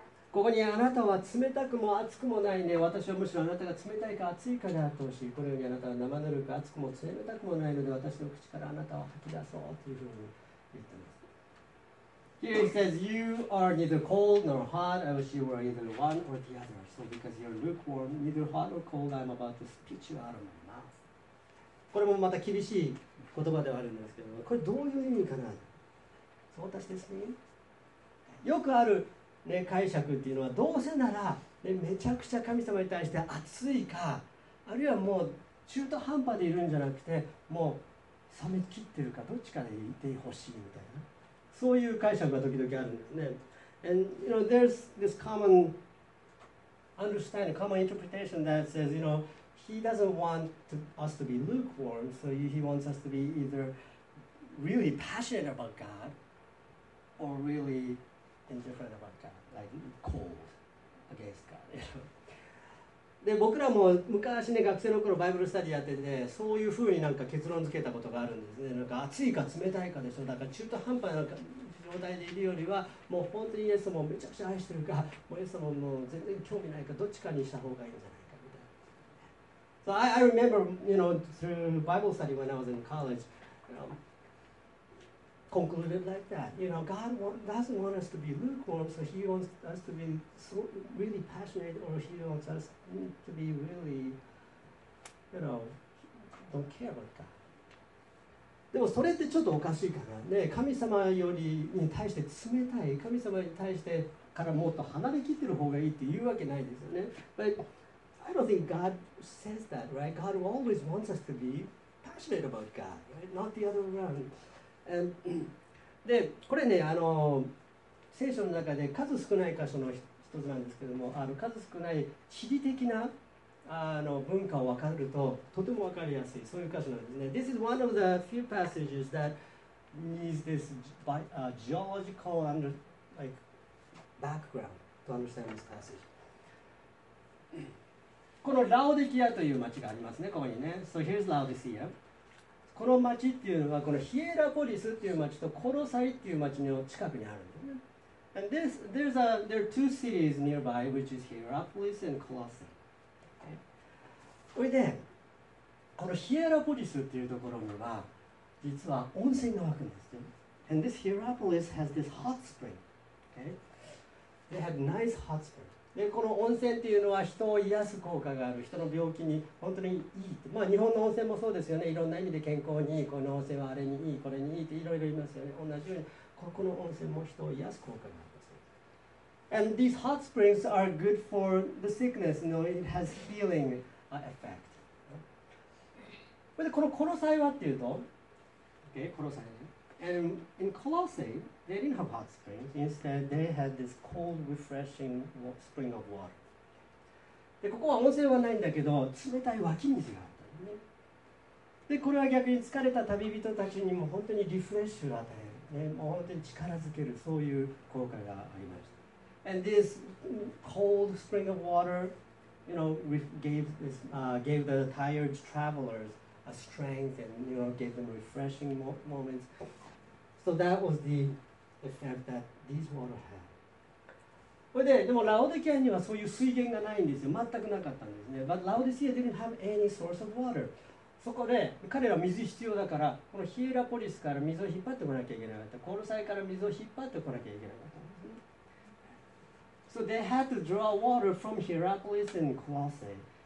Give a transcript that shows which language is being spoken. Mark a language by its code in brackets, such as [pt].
[ja] ここにあなたは冷たくも熱くもないね。私はむしろあなたが冷たいか熱いかであってほしい。このようにあなたは生ぬるく熱くも冷たくもないので、私の口からあなたを吐き出そうというふうに言ってます。 [en] Here he says, You are neither cold nor hot. I wish you were either one or the other. So because you're lukewarm, neither hot nor cold, I'm about to spit you out of my mouth. [ja] これもまた厳しい言葉ではあるんですけど、これどういう意味かな。そう私ですね。よくある、ね、解釈っていうのは、どうせなら、ね、めちゃくちゃ神様に対して熱いか、あるいはもう中途半端でいるんじゃなくて、もう冷めきってるか、どっちかでいてほしいみたいな、そういう解釈が時々あるんですね。 [en] And you know, there's this common understanding, common interpretation that says, you know, he doesn't want us to be lukewarm, so he wants us to be either really passionate about God or reallyindifferent about God, like cold against God. [ja] で、僕らも昔ね、学生の頃バイブルスタディやってて、そういうふうになんか結論付けたことがあるんですね。なんか暑いか冷たいかでしょ。だから中途半端な状態でいるよりは、もう本当にイエスもめちゃくちゃ愛してるか、もうイエスももう全然興味ないか、どっちかにした方がいいんじゃないかみたいな。 [en] So I remember, you know, through Bible study when I was in college, you know,concluded like that. You know, God doesn't want us to be lukewarm, so He wants us to be so really passionate, or He wants us to be really, you know, don't care about God. [ja] でもそれってちょっとおかしいかな。ね、神様よりに対して冷たい、神様に対してからもっと離れきってる方がいいっていうわけないですよね。 [en] But I don't think God says that, right? God always wants us to be passionate about God, right? Not the other way around. [ja] でこれね、聖書の中で数少ない箇所の一つなんですけども、数少ない地理的な文化を分かるととても分かりやすい、そういう箇所なんですね。 [en] This is one of the few passages that needs this geological under, like, background to understand this passage. [ja] このラオデキアという町がありますね、ここにね。 [en] So here's Laodicea. [ja] この町っていうのは、このヒエラポリスっていう町とコロサイっていう町の近くにあるんですね。 [en] And this, there's a, there are two cities nearby, which is Hierapolis and Colossae. [ja] それ、okay. で、このヒエラポリスっていうところには、実は温泉が湧くんですね。 [en] And this Hierapolis has this hot spring. Okay. They have nice hot spring. [ja] で、この温泉っていうのは人を癒す効果がある、人の病気に本当にいい。まあ日本の温泉もそうですよね。いろんな意味で健康にいい、この温泉はあれにいい、これにいいっていろいろ言いますよね。同じようにここの温泉も人を癒す効果があります。 [en] And these hot springs are good for the sickness. You know, it has healing effect. [ja] それでこのコロサイはっていうと、okay, コロサイ。 [en] And in Colossae, they didn't have hot springs. Instead, they had this cold, refreshing spring of water. [ja] で、ここは温泉はないんだけど、冷たい湧き水があったね。で、これは逆に疲れた旅人たちにも本当にリフレッシュを与える。ね、もう本当に力づけるそういう効果がありました。 [en] And this cold spring of water, you know, gave this, gave the tired travelers a strength and you know, gave them refreshing moments. So that was the effect that this water had. [ja] でもラオデキアにはそういう水源がないんですよ。全くなかったんですね。 [en] But Laodicea didn't have any source of water. [ja] そこで彼らは水必要だから、このヒエラポリスから水を引っ張ってこなきゃいけなかった。コロサイから水を引っ張ってこなきゃいけなかったんですね。 [en] So they had to draw water from Hierapolis and Colossae.